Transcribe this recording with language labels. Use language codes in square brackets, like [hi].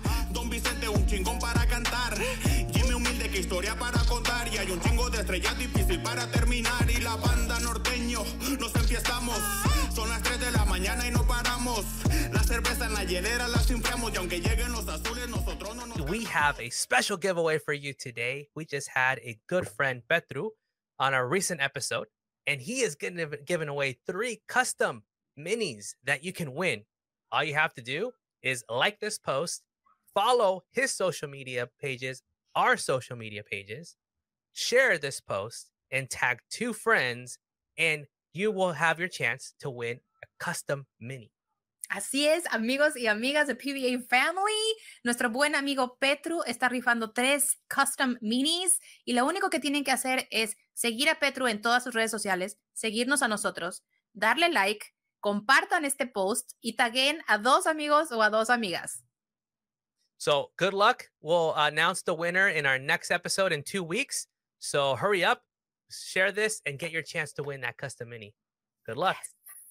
[es] Don Vicente, un chingón para cantar. Jimmy humilde, que historia para contar. Y hay un chingo de estrellas difícil para terminar. Y la banda norteño, nos empezamos. Son las 3 de la mañana y no paramos. La cerveza en la hielera la simpleamos. Y aunque lleguen los azules, nosotros no nos... [en] We have a special giveaway for you today. We just had a good friend, Petru, on a recent episode. And he is giving away 3 custom minis that you can win. All you have to do is like this post, follow his social media pages, our social media pages, share this post, and tag 2 friends, and you will have your chance to win a custom mini. [es] Así es, amigos y amigas de PVA Family. Nuestro buen amigo Petru está rifando 3 custom minis, y lo único que tienen que hacer es seguir a Petru en todas sus redes sociales, seguirnos a nosotros, darle like, compartan este post y taguen a 2 amigos o a 2 amigas. [en] So, good luck. We'll announce the winner in our next episode in 2 weeks. So, hurry up, share this, and get your chance to win that custom mini. Good luck. Yes.